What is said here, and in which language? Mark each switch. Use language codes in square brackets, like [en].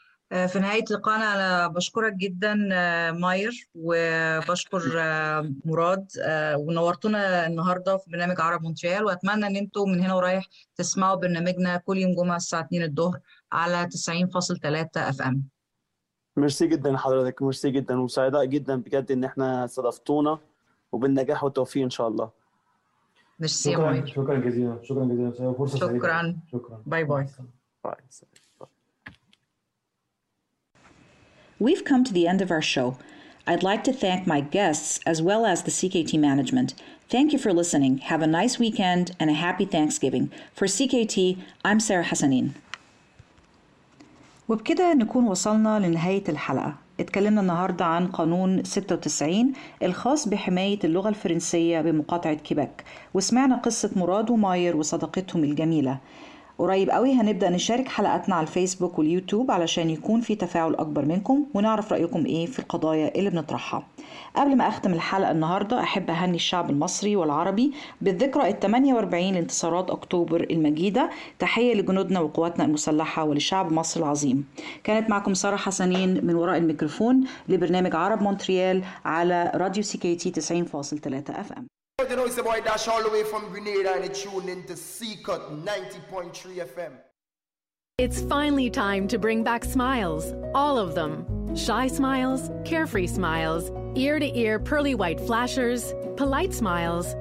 [ar] في نهاية لقاءنا أنا بشكرك جدا ماير، وبشكر مراد، ونورتونا النهاردة في برنامج عرب مونتريال، وأتمنى أن أنتم من هنا ورايح تسمعوا برنامجنا كل يوم جمعة الساعة 2 الظهر على 90.3 FM. مرسي جدا حضرتك، مرسي جدا، وسعداء جدا بجد أن احنا صدفتونا، وبالنجاح والتوفيق إن شاء الله. مرسي شكرا. ماير، شكرا جزيلا، شكرا جزيلا، فرصة سعيدة، شكرا، باي باي. [en] We've come to the end of our show. I'd like to thank my guests as well as the CKT management. Thank you for listening. Have a nice weekend and a happy Thanksgiving. For CKT, I'm Sarah Hassanin. [ar] وبكده نكون وصلنا لنهاية الحلقة. اتكلمنا النهاردة عن قانون 96 الخاص بحماية اللغة الفرنسية بمقاطعة كيبك، وسمعنا قصة مراد وماير وصداقتهم الجميلة. قريب قوي هنبدأ نشارك حلقاتنا على الفيسبوك واليوتيوب علشان يكون في تفاعل أكبر منكم ونعرف رأيكم إيه في القضايا اللي بنطرحها. قبل ما أختم الحلقة النهاردة أحب أهني الشعب المصري والعربي بالذكرى 48 لانتصارات أكتوبر المجيدة، تحية لجنودنا وقواتنا المسلحة ولشعب مصر العظيم. كانت معكم سارة حسنين من وراء الميكروفون لبرنامج عرب مونتريال على راديو CKT 90.3 FM. [en] You know it's the boy Dash all the way from Grenada and it's tuned into C-Cut 90.3 FM. It's finally time to bring back smiles, all of them. Shy smiles, carefree smiles, ear-to-ear pearly white flashers, polite smiles,